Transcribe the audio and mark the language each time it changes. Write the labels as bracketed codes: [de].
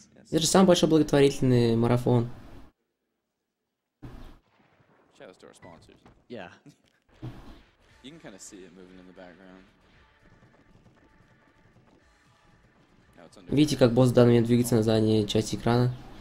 [ru] Это же самый большой благотворительный марафон. [en] Shout-out to our sponsors. Yeah. You can kind of see it moving in the background. [ru] Видите, как босс в данный момент двигается на задней части экрана?